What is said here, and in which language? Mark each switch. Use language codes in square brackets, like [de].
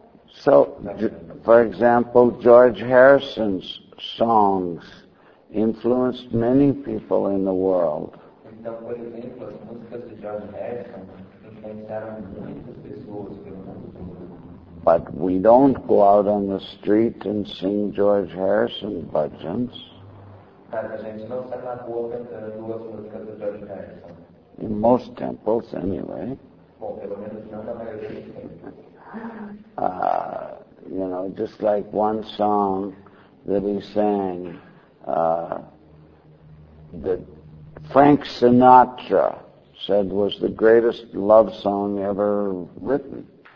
[en] So, for example, George Harrison's songs influenced many people in the world. [pt] Então, por exemplo, as músicas de George Harrison influenciaram muitas pessoas pelo mundo. [en] But we don't go out on the street and sing George Harrison bhajans. [pt] Mas a gente não sai na rua cantando as músicas de George Harrison. [en] in most temples anyway. You know, just like one song that he sang, that Frank Sinatra said was the greatest love song ever written.